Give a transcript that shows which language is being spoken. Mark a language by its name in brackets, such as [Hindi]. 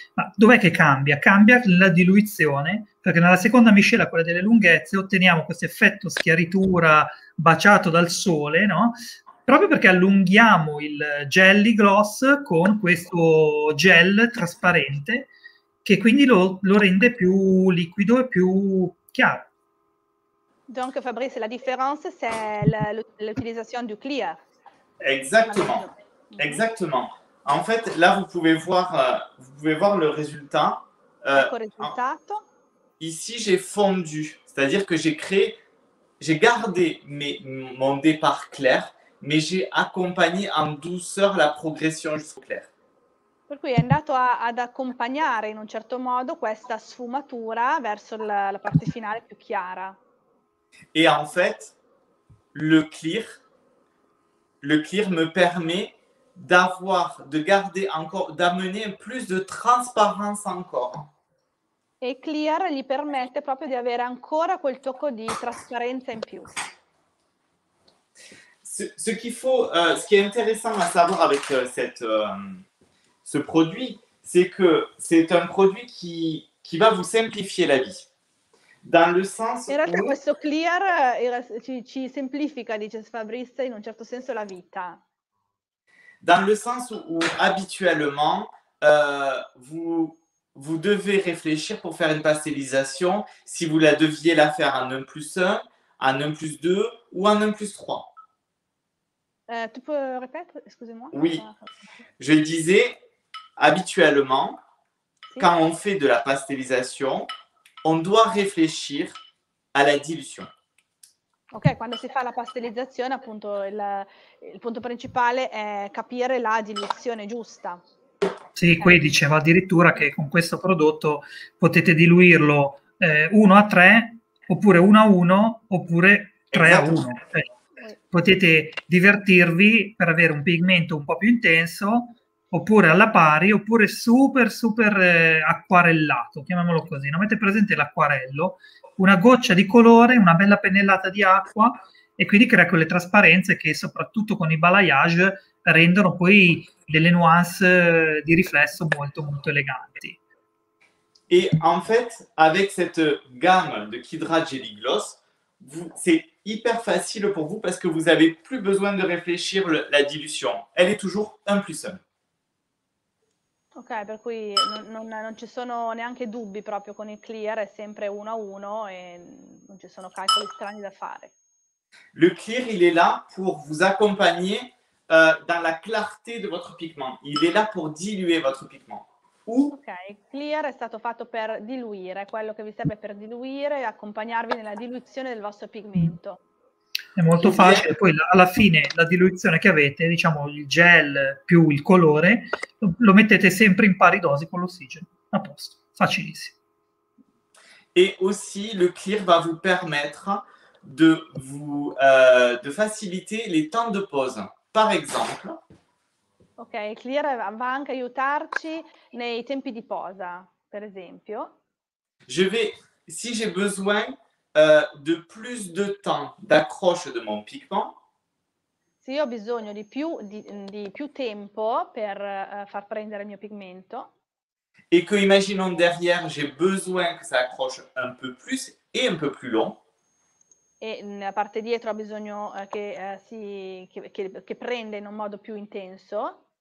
[Italian] Ma dov'è che cambia? Cambia la diluizione, perché nella seconda miscela, quella delle lunghezze, otteniamo questo effetto schiaritura baciato dal sole, no? Proprio perché allunghiamo il jelly gloss con questo gel trasparente, che quindi lo rende più liquido e più chiaro. [French] Donc Fabrice, la différence c'est l'utilisation du clear. Exactement, exactement. En fait, là vous pouvez voir le résultat. [Italian] Ecco il risultato. [French] Ici j'ai fondu, c'est-à-dire que j'ai gardé mon départ clair, mais j'ai accompagné en douceur la progression jusqu'au clair. [Italian] Per cui è andato ad accompagnare in un certo modo questa sfumatura verso la parte finale più chiara. [French] Et en fait, le clear me permet d'avoir, de garder encore, d'amener plus de transparence encore. [Italian] Et clear gli permette proprio di avere ancora quel tocco di trasparenza in più. [French] Ce qui est intéressant à savoir avec ce produit, c'est que c'est un produit qui va vous simplifier la vie. Dans le sens [Italian] in realtà questo clear ci semplifica, dice Fabrice, in un certo senso la vita. [French] Dans le sens où habituellement vous devez réfléchir pour faire une pastellisation, si vous la deviez la faire en 1 plus 1, en 1 plus 2 ou en 1 plus 3. Tu peux répéter, excusez-moi. Oui, je disais habituellement, si. Quand on fait de la pastellisation, on doit réfléchir à la dilution. [Italian] Ok, quando si fa la pastellizzazione, appunto, il punto principale è capire la diluizione giusta. Sì, qui diceva addirittura che con questo prodotto potete diluirlo 1 a 3, oppure 1 a 1, oppure 3 a 1. Potete divertirvi per avere un pigmento un po' più intenso, oppure alla pari, oppure super, super acquarellato, chiamiamolo così. Non avete presente l'acquarello? Una goccia di colore, una bella pennellata di acqua, e quindi crea quelle trasparenze che soprattutto con i balayage rendono poi delle nuance di riflesso molto, molto eleganti. [French] Et en fait, avec cette gamme de Kidra Jelly Gloss, vous, c'est hyper facile pour vous parce que vous n'avez plus besoin de réfléchir la dilution. Elle est toujours 1+1. [Italian] Ok, per cui non ci sono neanche dubbi proprio con il clear, è sempre 1-1 e non ci sono calcoli strani da fare. [French] Le clear, il est là pour vous accompagner dans la clarté de votre pigment. Il est là pour diluer votre pigment. [Italian] Ok, clear è stato fatto per diluire, quello che vi serve per diluire e accompagnarvi nella diluizione del vostro pigmento. È molto facile, poi alla fine la diluizione che avete, diciamo il gel più il colore, lo mettete sempre in pari dosi con l'ossigeno, a posto, facilissimo. [French] E aussi le clear va vous permettre de vous de faciliter les temps de pause, par exemple. [Italian] Ok, il clear va anche aiutarci nei tempi di posa, per esempio. [French] Je vais, si j'ai besoin de plus de temps d'accroche de mon pigment. [Italian] Se io ho bisogno di più tempo per far prendere il mio pigmento. [French] E che imaginons derrière, j'ai besoin que ça accroche un peu plus et un peu plus long. [Italian] E nella parte dietro ho bisogno che prenda in un modo più intenso.